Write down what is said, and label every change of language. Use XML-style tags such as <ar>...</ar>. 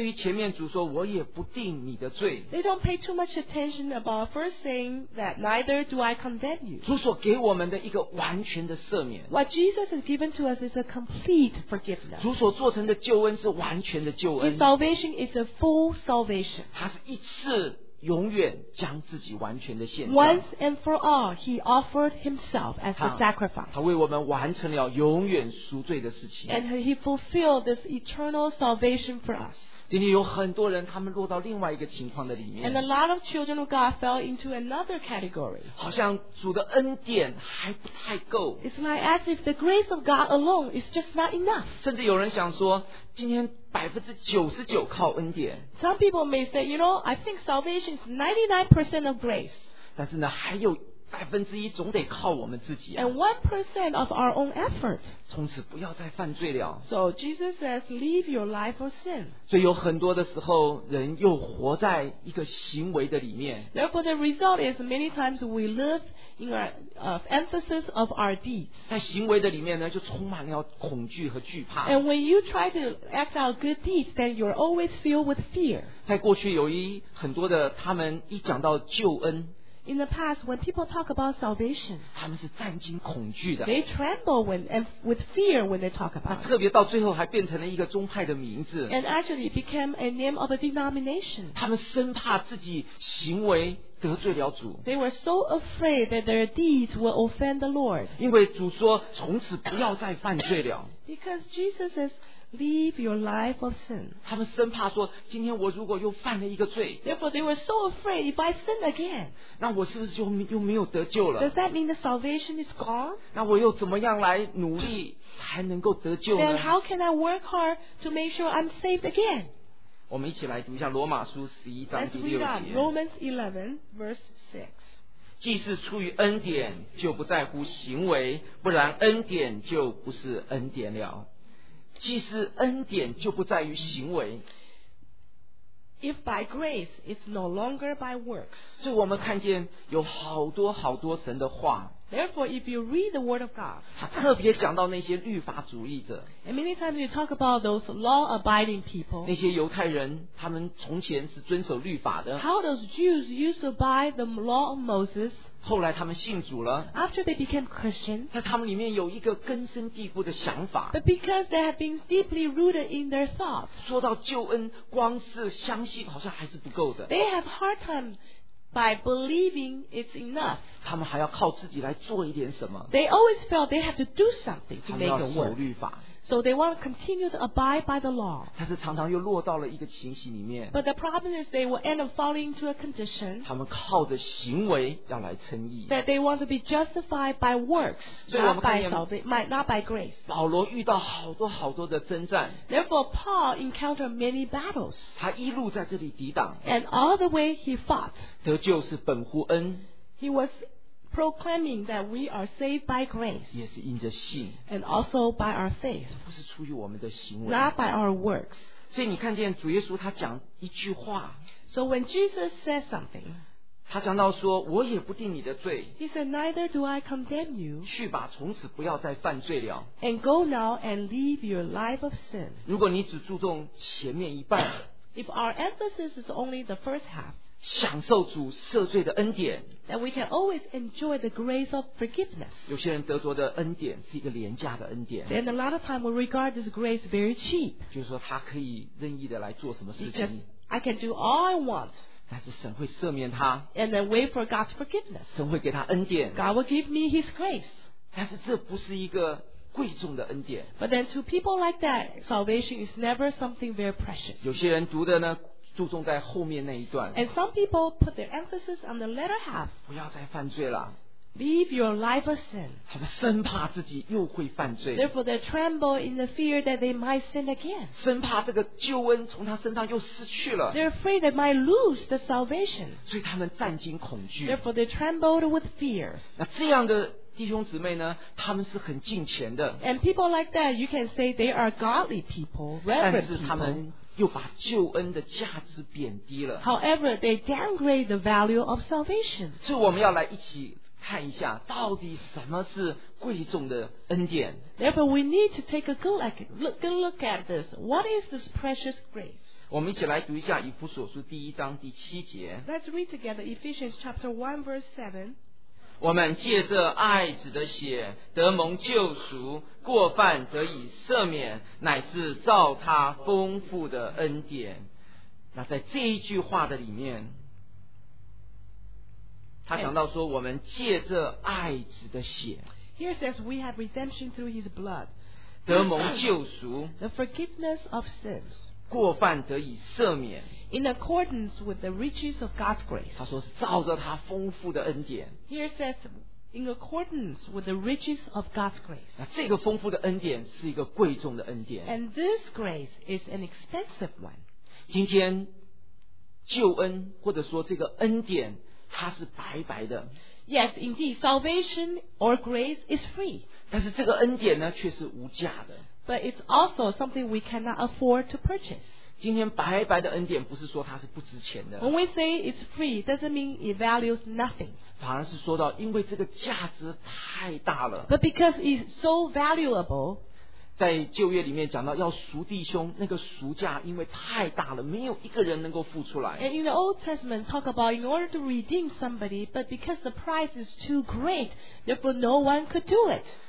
<zh>对于前面主说我也不定你的罪</zh> <en>They don't pay too much attention about first saying that neither do I condemn you</en> <zh>主所给我们的一个完全的赦免</zh> <en>What Jesus has given to us is a complete forgiveness</en> <zh>主所做成的救恩是完全的救恩</zh> <en>His salvation is a full salvation</en> <zh>他是一次永远将自己完全的献上</zh> <en>Once and for all He offered himself as a sacrifice</en> <zh>他为我们完成了永远赎罪的事情</zh> <en>And he fulfilled this eternal salvation for us</en> <zh>今天有很多人他们落到另外一个情况的里面</zh> <en>And a lot of children of God fell into another category</en> <zh>好像主的恩典还不太够</zh> <en>It's like as if the grace of God alone is just not enough</en> <zh>甚至有人想说今天99%靠恩典</zh> <en>Some people may say You know I think salvation is 99% of grace</en> <zh>但是呢还有1%总得靠我们自己、啊、</zh> <en>And 1% of our own effort</en> <zh>从此不要再犯罪了</zh> <en>So Jesus says Leave your life for sin</en> <zh>所以有很多的时候人又活在一个行为的里面</zh> <en>Therefore the result is Many times we live In our emphasis of our deeds</en> <zh>在行为的里面呢就充满了恐惧和惧怕</zh> <en>And when you try to act out good deeds Then you're always filled with fear</en> <zh>在过去有一很多的他们一讲到救恩</zh> <en>In the past, when people talk about salvation,</en> <zh>他们是战惊恐惧的</zh> <en>They tremble when, and with fear when they talk about it.</en> <zh>特别到最后还变成了一个宗派的名字</zh> <en>And actually it became a name of a denomination.</en> <zh>他们生怕自己行为得罪了主</zh> <en>They were so afraid that their deeds would offend the Lord.</en> <zh>因为主说从此不要再犯罪了</zh> <en>Because Jesus says, leave your life of sin.</en> <zh>他们生怕说今天我如果又犯了一个罪</zh> <en>Therefore they were so afraid if I sin again.</en> <zh>那我是不是又没有得救了</zh> <en>Does that mean the salvation is gone?</en> <zh>那我又怎么样来努力才能够得救呢</zh> <en>Then how can I work hard to make sure I'm saved again?</en> <zh>我们一起来读一下罗马书十一章第六节</zh> <en>Let's read Romans 11 verse 6.</en> <zh>既是出于恩典就不在乎行为不然恩典就不是恩典了既是恩典就不在于行为</zh> <en>If by grace it's no longer by works</en> <zh>所以我们看见有好多好多神的话</zh> <en>Therefore if you read the word of God</en> <zh>他特别讲到那些律法主义者</zh> <en>And many times you talk about those law abiding people</en> <zh>那些犹太人他们从前是遵守律法的</zh> <en>How those Jews used to abide the law of Moses</en> <zh>后来他们信主了</zh> <en>After they became Christians</en> <zh>但他们里面有一个根深蒂固的想法</zh> <en>But because they have been deeply rooted in their thoughts</en> <zh>说到救恩光是相信好像还是不够的</zh> <en>They have hard time by believing it's enough</en> <zh>他们还要靠自己来做一点什么</zh> <en>They always felt they have to do something to make it work</en> <zh>他们要守律法</zh> <en>So they want to continue to abide by the law.</en> <zh>但是常常又落到了一个情形里面。</zh> <en>But the problem is they will end up falling into a condition.</en> <zh>他们靠着行为要来称义。</zh> <en>That they want to be justified by works, not by grace.</en> <zh>保罗遇到好多好多的征战。</zh> <en>Therefore, Paul encountered many battles.</en> <zh>他一路在这里抵挡。</zh> <en>And all the way he fought.</en> <zh>得救是本乎恩。</zh> <en>He was proclaiming that we are saved by grace</en> <zh>也是因着信</zh> <en>and also by our faith</en> <zh>不是出于我们的行为</zh> <en>not by our works</en> <zh>所以你看见主耶稣他讲一句话</zh> <en>so when Jesus says something</en> <zh>他讲到说我也不定你的罪</zh> <en>he said neither do I condemn you</en> <zh>去吧从此不要再犯罪了</zh> <en>and go now and leave your life of sin</en> <zh>如果你只注重前面一半</zh> <en>if our emphasis is only the first half</en> <zh>享受主赦罪的恩典</zh> <en>that we can always enjoy the grace of forgiveness</en> <zh>有些人得着的恩典是一个廉价的恩典</zh> <en>then a lot of time we regard this grace very cheap</en> <zh>就是说他可以任意的来做什么事情</zh> <en>because I can do all I want</en> <zh>但是神会赦免他</zh> <en>and then wait for God's forgiveness</en> <zh>神会给他恩典</zh> <en>God will give me his grace</en> <zh>但是这不是一个贵重的恩典</zh> <en>but then to people like that salvation is never something very precious</en> <zh>有些人读的呢注重在后面那一段</zh> <en>and some people put their emphasis on the latter half</en> <zh>不要再犯罪了</zh> <en>Leave your life of sin.</en> <zh>他们生怕自己又会犯罪。</zh> <en>Therefore, they tremble in the fear that they might sin again.</en> <zh>生怕这个救恩从他身上又失去了。</zh> <en>They're afraid they might lose the salvation.</en> <zh>所以他们战惊恐惧。</zh> <en>Therefore, they trembled with fear.</en> <zh>那这样的弟兄姊妹呢？他们是很敬虔的。</zh> <en>And people like that, you can say they are godly people, reverent people.</en> <zh>但是他们又把救恩的价值贬低了。</zh> <en>However, they downgrade the value of salvation.</en> <zh>所以我们要来一起看一下到底什么是贵重的恩典。</zh> <en>Therefore we need to take a good look at this. What is this precious grace?</en> <zh>我们一起来读一下以弗所书第一章第七节。</zh> <en>Let's read together Ephesians chapter 1 verse 7.</en> <zh>我们借着爱子的血得蒙救赎，过犯得以赦免，乃是照他丰富的恩典。那在这一句话的里面，他讲到说，我们借着爱子的血。</zh> <en>Here says we have redemption through His blood.</en> <zh>得蒙救赎。</zh> <en>The forgiveness of sins.</en> <zh>过犯得以赦免。</zh> <en>In accordance with the riches of God's grace.</en> <zh>他说是照着他丰富的恩典。</zh> <en>Here says in accordance with the riches of God's grace.</en> <zh>那这个丰富的恩典是一个贵重的恩典。</zh> <en>And this grace is an expensive one.</en> <zh>今天救恩或者说这个恩典，它是白白的。</zh> <en>Yes, indeed, salvation or grace is free.</en> <zh>但是这个恩典呢，却是无价的。</zh> <en>But it's also something we cannot afford to purchase.</en> <zh>今天白白的恩典，不是说它是不值钱的。</zh> <en>When we say it's free, doesn't mean it values nothing.</en> <zh>反而是说到，因为这个价值太大了。</zh> <en>But because it's so valuable.</en> <zh>在旧约里面讲到要赎弟兄，那个赎价因为太大了，没有一个人能够付出来。</zh> <en>And in the Old Testament talk about in order to redeem somebody, but because the price is too great, therefore no one could do it.</en>